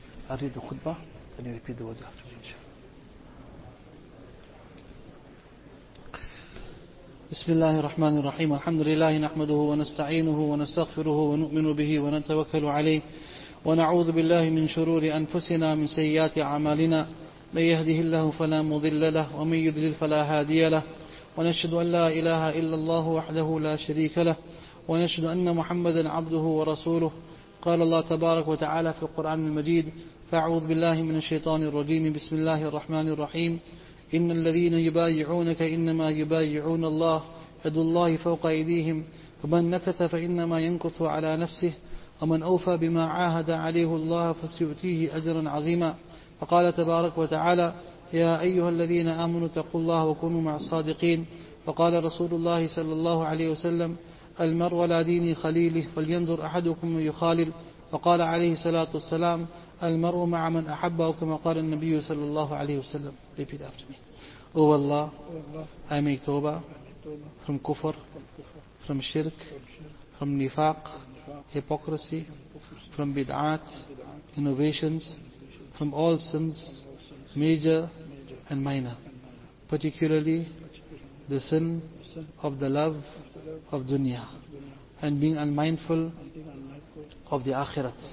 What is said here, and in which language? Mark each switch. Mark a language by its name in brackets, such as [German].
[English] I read the khutbah, then you repeat the words after me, inshallah. [Arabic] بسم الله الرحمن الرحيم الحمد لله نحمده ونستعينه ونستغفره ونؤمن به ونتوكل عليه ونعوذ بالله من شرور أنفسنا من سيئات أعمالنا من يهده الله فلا مضل له ومن يضلل فلا هادي له ونشهد أن لا إله إلا الله وحده لا شريك له ونشهد أن محمدا عبده ورسوله قال الله تبارك وتعالى في القرآن المجيد فأعوذ بالله من الشيطان الرجيم بسم الله الرحمن الرحيم إن الذين يبايعونك إنما يبايعون الله يد الله فوق أيديهم فمن نكث فإنما ينكث على نفسه ومن أوفى بما عاهد عليه الله فسيؤتيه أجرا عظيما فقال تبارك وتعالى يا أيها الذين آمنوا اتقوا الله وكونوا مع الصادقين فقال رسول الله صلى الله عليه وسلم المرء على دين خليله فلينظر أحدكم من يخالل فقال عليه الصلاة والسلام المرء مع من أحبه كما قال النبي صلى الله عليه وسلم. [English] Repeat after me. O Allah, I make Toba from kufr, from shirk, from nifaq, hypocrisy, from bid'at, innovations, from all sins, major and minor, particularly the sin of the love of dunya and being unmindful of the akhirat.